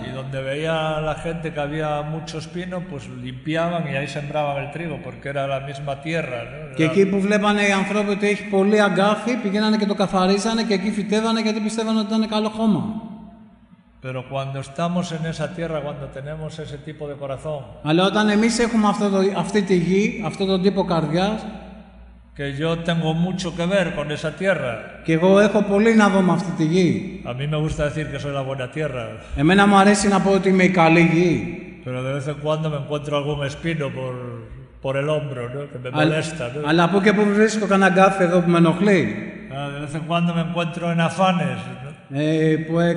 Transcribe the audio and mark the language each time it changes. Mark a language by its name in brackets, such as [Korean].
[Spanish] Y donde veía la gente que había mucho espino, pues limpiaban y ahí sembraban el trigo, porque era la misma tierra. ¿No? [Greek] Και εκεί που βλέπανε οι άνθρωποι ότι έχει πολύ αγκάθι, πηγαίνανε και το καθαρίσανε και εκεί φυτεύανε γιατί πιστεύανε ότι ήταν καλό χώμα. [Spanish] Pero cuando estamos en esa tierra, cuando tenemos ese tipo de corazón. [Greek] Αλλά όταν εμείς έχουμε αυτή τη γη, αυτόν τον τύπο καρδιάς, [Spanish] que yo tengo mucho que ver con esa tierra. [Greek] Que εγώ έχω πολύ να δω με αυτή τη γη. [Spanish] A mí me gusta decir que soy la buena tierra. [Greek] Εμένα μου αρέσει να πω ότι είμαι η καλή γη. [Spanish] Pero de vez en cuando me encuentro algún espino por el hombro, ¿no? Que me molesta, ¿no? [Greek] Αλλά από και που βρίσκω κανένα γκάφι εδώ που με ενοχλεί. [Spanish] De vez en cuando me encuentro en afanes, ¿no?